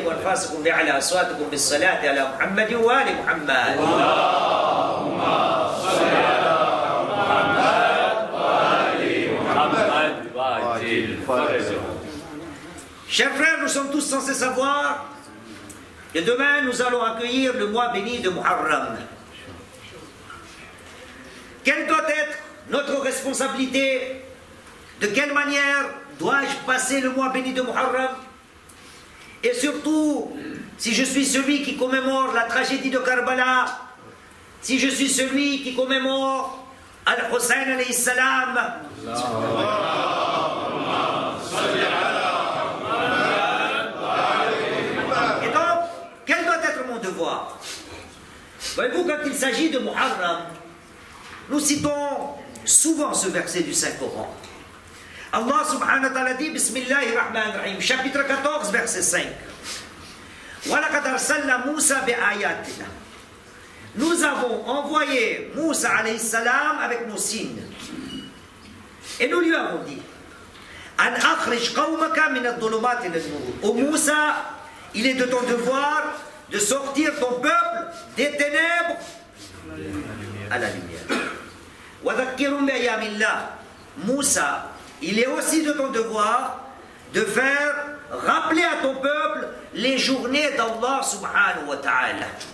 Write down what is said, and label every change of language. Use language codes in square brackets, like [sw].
[ar] أصواتكم بأعلى أصواتكم بالصلاة على محمد وآل محمد. اللهم صل على محمد وآل محمد. [fr] Chers frères, nous sommes tous censés savoir que demain nous allons accueillir le mois béni de Muharram. Quelle doit être notre responsabilité? De quelle manière dois-je passer le mois béni de Muharram? Et surtout, si je suis celui qui commémore la tragédie de Karbala, si je suis celui qui commémore Al-Hussein alayhi salam, et donc, quel doit être mon devoir? Voyez-vous, quand il s'agit de Muharram, nous citons souvent ce verset du Saint-Coran. Allah subhanahu wa ta'ala dit, bismillahir rahmanir rahim, chapitre 14, verset 5. [ar] وَلَقَدْ أَرْسَلْنَا مُوسَى بِآيَاتِنَا. [fr] Nous avons envoyé Moussa alayhi salam avec nos signes. Et nous lui avons dit [ar] أَنْ أَخْرِجْ قَوْمَكَ مِنَ الظُّلُمَاتِ إِلَى النُّورِ. [fr] Ô Moussa, il est de ton devoir de sortir ton peuple des ténèbres à la lumière. [ar] وَذَكِّرْهُمْ بِأَيَّامِ اللَّهِ. [fr] Moussa, il est aussi de ton devoir de faire rappeler à ton peuple les journées d'Allah subhanahu wa ta'ala.